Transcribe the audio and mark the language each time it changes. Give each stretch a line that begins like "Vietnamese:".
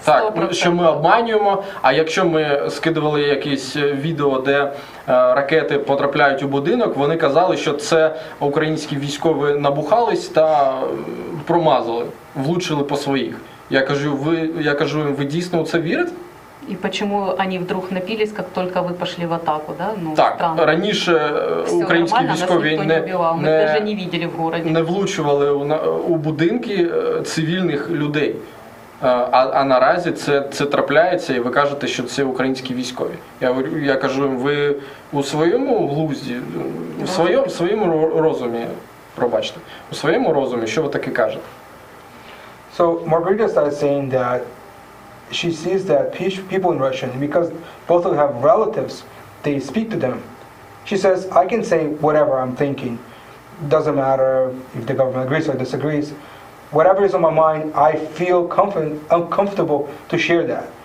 Russian: Так, так, что мы обманываем, а если мы скидывали какие-то видео, где ракеты
Ukrainian: потрапляют в будинок,
Russian: они казали, что это украинские
Ukrainian: військові
Russian: набухались и промазали,
Ukrainian: влучили по своих. Я кажу, ви дійсно у це вірите? І чому вони
Russian: вдруг
Ukrainian: напились, як тільки ви пішли в атаку, да? Ну,
Russian: так, странно.
Ukrainian: Раніше все українські військові не вбивали, ми навіть не бачили в місті. Не влучували у будинки цивільних людей. А наразі це трапляється, і ви кажете, що це українські військові. Я кажу, ви у своєму глузді, у своєму розумі, пробачте, у своєму розумі, що ви таке кажете?
English: So Margarita started saying that she sees that people in Russia, because both of them have relatives, they speak to them. She says, I can say whatever I'm thinking. Doesn't matter if the government agrees or disagrees. Whatever is on my mind, I feel uncomfortable to share that.